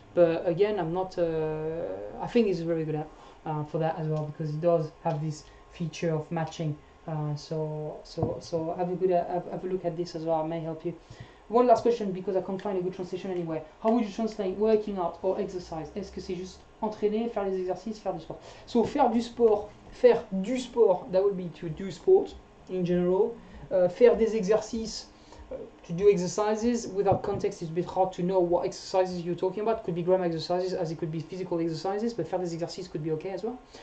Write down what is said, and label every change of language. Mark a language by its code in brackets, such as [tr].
[en] But again, I'm not, I think it's a very good app for that as well, because it does have this feature of matching. So have a look at this as well, it may help you. One last question, because I can't find a good translation anywhere. How would you translate working out or exercise? [fr] Est-ce que c'est juste entraîner, faire les exercices, faire du sport? [en] So, [fr] faire du sport, [en] that would be to do sport in general. [fr] Faire des exercices, [en] to do exercises, without context, it's a bit hard to know what exercises you're talking about. Could be grammar exercises, as it could be physical exercises, but [fr] faire des exercices [en] could be okay as well.